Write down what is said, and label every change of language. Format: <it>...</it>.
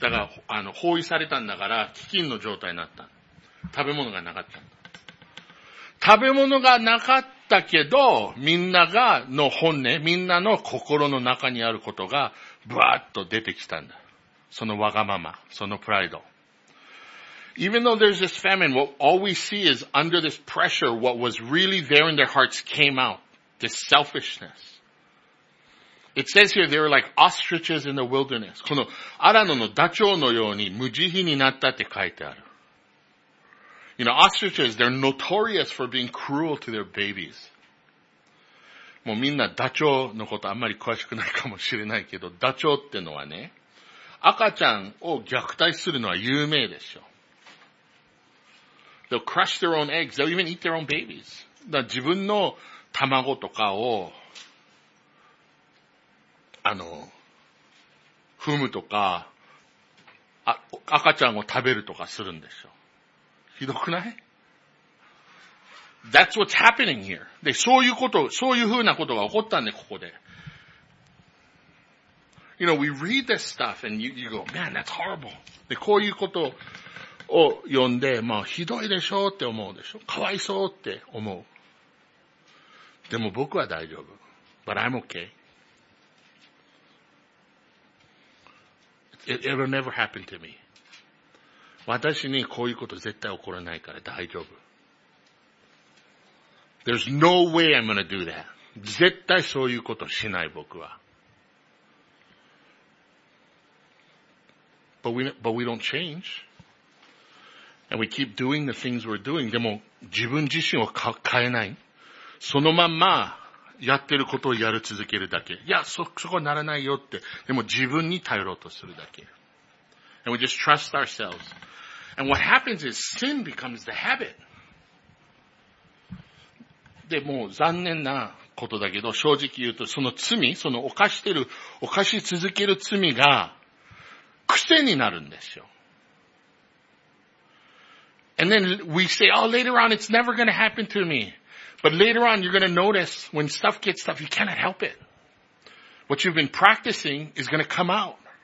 <ja>だから、包囲されたんだから、飢饉の状態になった。食べ物がなかった。食べ物がなかったけど、みんながの本音、みんなの心の中にあることが、ブワーッと出てきたんだ。そのわがまま、そのプライド。</ja> <en>Even though there's this famine, what all we see is under this pressure, what was really there in their hearts came out. This selfishness. It says here they were like ostriches in the wilderness.</en> <ja>このアラノのダチョウのように無慈悲になったって書いてある。</ja> <en>You know, ostriches, they're notorious for being cruel to their babies.</en> <ja>もうみんなダチョウのことあんまり詳しくないかもしれないけど、ダチョウってのはね、赤ちゃんを虐待するのは有名でしょ。</ja> <en>They'll crush their own eggs. They'll even eat their own babies.</en> <ja>だから自分の卵とかを、踏むとか、赤ちゃんを食べるとかするんでしょ。ひどくない？</ja> <en>That's what's happening here.</en> <ja>で、そういうこと、そういうふうなことが起こったんで、ここで。</ja> <en>You know, we read this stuff and you go, man, that's horrible.</en> <ja>で、こういうこと、を読んで、まあ、ひどいでしょうって思うでしょ。かわいそうって思う。でも僕は大丈夫。</ja> <en>But I'm okay. It will never happen to me.</en> <ja>私にこういうこと絶対起こらないから大丈夫。</ja> <en>There's no way I'm gonna do that.</en> <ja>絶対そういうことしない僕は。</ja> <en>But we don't change. And we keep doing the things we're doing.</en> <ja>でも自分自身を変えない。そのまんまやってることをやる続けるだけ。いや、そこはならないよって。でも自分に頼ろうとするだけ。</ja> <en>And we just trust ourselves. And what happens is sin becomes the habit.</en> <ja>でも残念なことだけど、正直言うとその罪、その犯し続ける罪が癖になるんですよ。</ja> <en>And then we say, oh, later on, it's never going to happen to me. But later on, you're going to notice when stuff gets tough, you cannot help it. What you've been practicing is going to come out.</en>